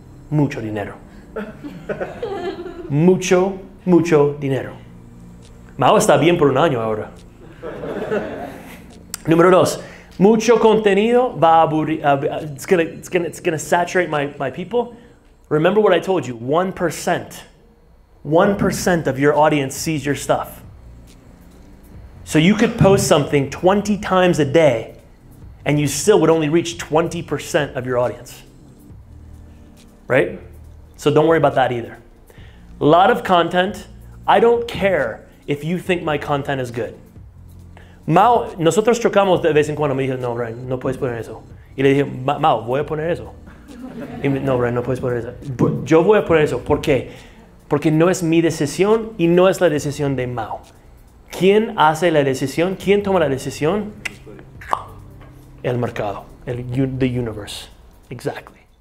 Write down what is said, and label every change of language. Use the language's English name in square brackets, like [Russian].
[Spanish] Mucho dinero. Mucho, mucho dinero. Mao está bien por un año ahora. Número dos, mucho contenido va a aburrir. [English] It's gonna saturate my people. Remember what I told you. 1%. 1% of your audience sees your stuff. So you could post something 20 times a day and you still would only reach 20% of your audience. Right? So don't worry about that either. A lot of content. I don't care if you think my content is good. [Spanish] Mao, nosotros chocamos de vez en cuando. Me dijo, no, Brian, no puedes poner eso. Y le dije, Mao, voy a poner eso. Y me, no, Brian, no puedes poner eso. Yo voy a poner eso. ¿Por qué? Porque no es mi decisión y no es la decisión de Mao. ¿Quién hace la decisión? ¿Quién toma la decisión? El mercado, [English] the universe. Exactly.